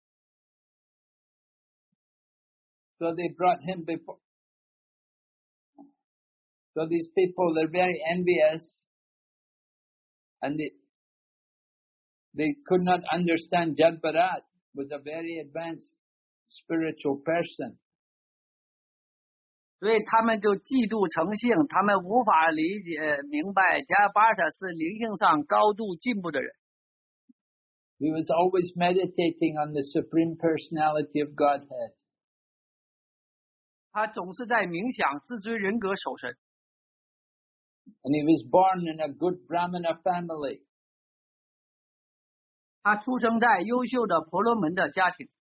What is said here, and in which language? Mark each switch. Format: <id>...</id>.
<zh>他们在想，如果把这样加的巴尔匠人供奉给卡利女神，他们都会变得富有，腰缠万贯了。</zh> <en>So they brought him before. So these people, they're very envious, and they could not understand Jambarat was a very advanced spiritual person.</en> <zh>所以他们就嫉妒成性，他们无法理解明白加巴尔塔是灵性上高度进步的人。</zh> <en>He was always meditating on the Supreme Personality of Godhead.</en> <zh>他总是在冥想自尊人格守神。</zh> <en>And he was born in a good Brahmana family.</en> <zh>他出生在优秀的婆罗门的家庭。</zh>